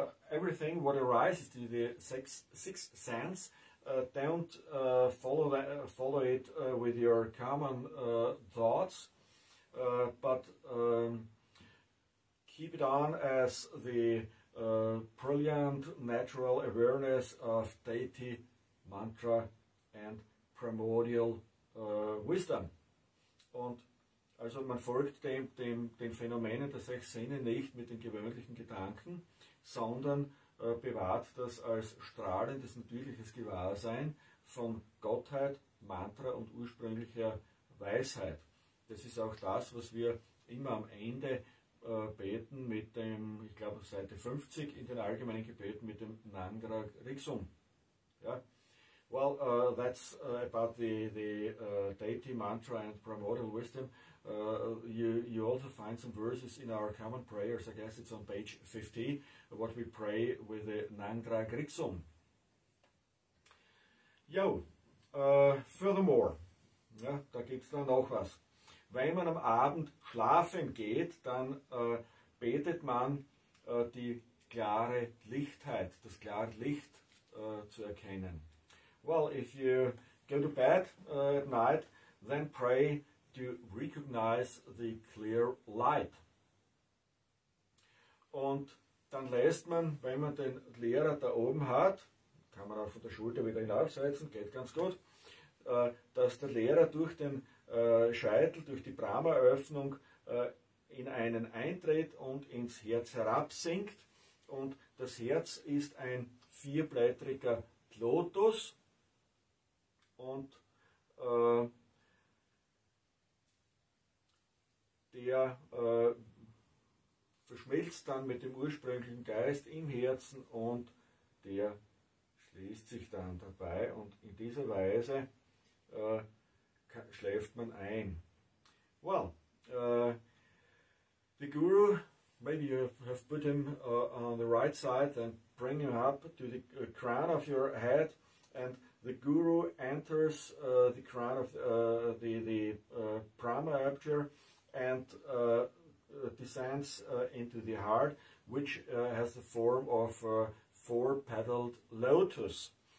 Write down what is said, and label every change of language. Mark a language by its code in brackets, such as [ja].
[en] Everything what arises to the six sense, don't follow it with your common thoughts, but keep it on as the brilliant natural awareness of deity, mantra, and primordial wisdom. [de] Und also man folgt den Phänomenen der sechs Sinne nicht mit den gewöhnlichen Gedanken, sondern bewahrt das als strahlendes, natürliches Gewahrsein von Gottheit, Mantra und ursprünglicher Weisheit. Das ist auch das, was wir immer am Ende beten mit dem, ich glaube Seite 50 in den allgemeinen Gebeten mit dem Nangra Rigsum. Ja? [en] Well, that's about the deity, mantra and primordial wisdom. You also find some verses in our common prayers, I guess it's on page 50, what we pray with the Nangra Griksum. [de] Jo, [en] furthermore, [de] ja, da gibt es dann noch was. Wenn man am Abend schlafen geht, dann betet man die klare Lichtheit, das klare Licht zu erkennen. [en] Well, if you go to bed at night, then pray to recognize the clear light. [de] Und dann lässt man, wenn man den Lehrer da oben hat, kann man auch von der Schulter wieder hinaufsetzen, geht ganz gut, dass der Lehrer durch den Scheitel, durch die Brahmaöffnung in einen eintritt und ins Herz herabsinkt. Und das Herz ist ein vierblättriger Lotus. Und der verschmilzt dann mit dem ursprünglichen Geist im Herzen und der schließt sich dann dabei. Und in dieser Weise schläft man ein. [en] Well, the Guru, maybe you have put him on the right side and bring him up to the crown of your head, and the Guru enters the crown of the Prama aperture and descends into the heart, which has the form of a four-petaled lotus.